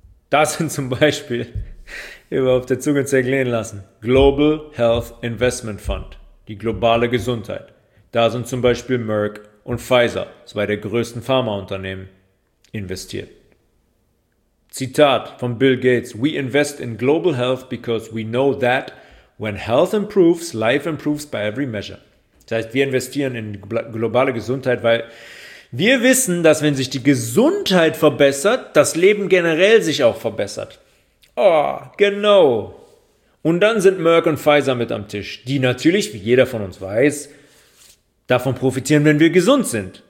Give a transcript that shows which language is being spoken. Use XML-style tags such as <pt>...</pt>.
<de>Da sind zum Beispiel, überhaupt der Zug zergehen lassen, Global Health Investment Fund, die globale Gesundheit. Da sind zum Beispiel Merck und Pfizer, zwei der größten Pharmaunternehmen, investiert. Zitat von Bill Gates,</de> <en>we invest in global health because we know that when health improves, life improves by every measure.</en> <de>Das heißt, wir investieren in globale Gesundheit, weil wir wissen, dass wenn sich die Gesundheit verbessert, das Leben generell sich auch verbessert. Oh, genau. Und dann sind Merck und Pfizer mit am Tisch, die natürlich, wie jeder von uns weiß, davon profitieren, wenn wir gesund sind.</de>